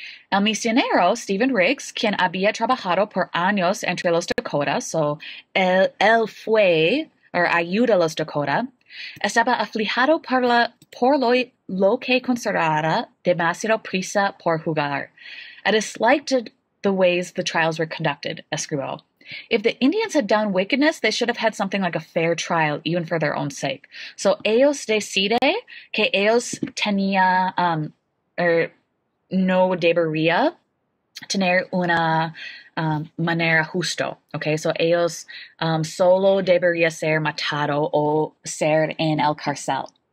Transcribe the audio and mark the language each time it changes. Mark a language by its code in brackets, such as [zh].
[es] El misionero Stephen Riggs, quien había trabajado por años entre los Dakota, él fue, o ayuda a los Dakota, estaba aflijado por lo que consideraba demasiado prisa por jugar. [en] I disliked the ways the trials were conducted, [es] escribió. [en] If the Indians had done wickedness, they should have had something like a fair trial, even for their own sake. [es] So ellos decide que ellos tenía no debería tener una manera justo, okay? So ellos solo debería ser matado o ser en el carcel.